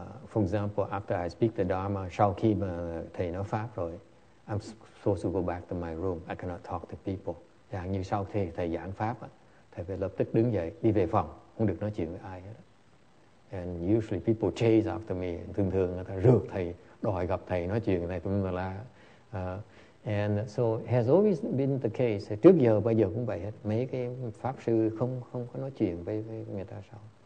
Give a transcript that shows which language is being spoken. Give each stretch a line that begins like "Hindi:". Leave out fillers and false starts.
English: For example, after I speak the Dharma,
Vietnamese: sau khi mà thầy nói pháp rồi,
English: I'm supposed to go back to my room. I cannot talk to people.
Vietnamese: Chẳng hạn như sau khi thầy giảng pháp, thầy phải lập tức đứng dậy đi về phòng, không được nói chuyện với ai hết.
English: And usually people chase after me.
Vietnamese: Thường thường người ta rượt thầy. Đòi gặp thầy nói chuyện này tôi là
English: And so it has always been the case.
Vietnamese: Trước giờ bây giờ cũng vậy hết. Mấy cái pháp sư không có nói chuyện với người ta sao?